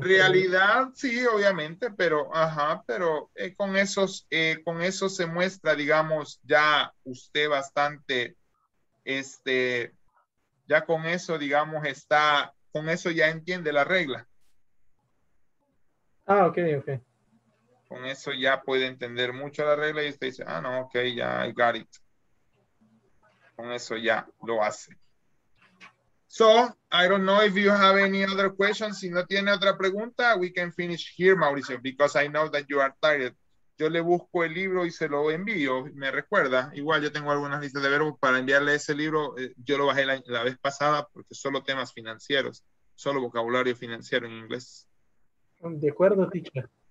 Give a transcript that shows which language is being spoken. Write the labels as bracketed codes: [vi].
[es] Realidad, sí, obviamente, pero, ajá, pero con eso se muestra, digamos, ya usted bastante, ya con eso, digamos, está, con eso ya entiende la regla. Ah, ok, ok. Con eso ya puede entender mucho la regla y usted dice, ah, no, ok, ya, [en] I got it. [es] Con eso ya lo hace. [en] So, I don't know if you have any other questions. [es] Si no tiene otra pregunta, [en] we can finish here, Mauricio, because I know that you are tired. [es] Yo le busco el libro y se lo envío, me recuerda. Igual yo tengo algunas listas de verbos para enviarle ese libro. Yo lo bajé la vez pasada porque solo temas financieros, solo vocabulario financiero en inglés. De acuerdo, teacher.